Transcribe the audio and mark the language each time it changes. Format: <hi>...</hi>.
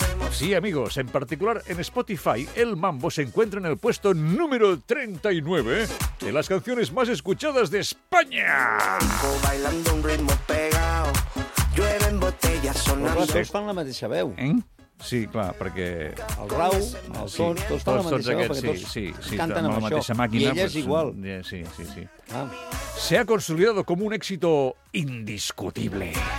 <es>Sí, amigos, en particular en Spotify, El Mambo se encuentra en el puesto número 39 de las canciones más escuchadas de España. Bailando un ritmo pegado, llueve en botellas, sonando...</es> <ca>Però tots fan la mateixa veu. Sí, clar, perquè... El Rau, el Son, tots fan la mateixa veu, perquè tots canten amb la mateixa màquina. I ella és igual. Sí. Ah.</ca> <es>Se ha consolidado como un éxito indiscutible.</es>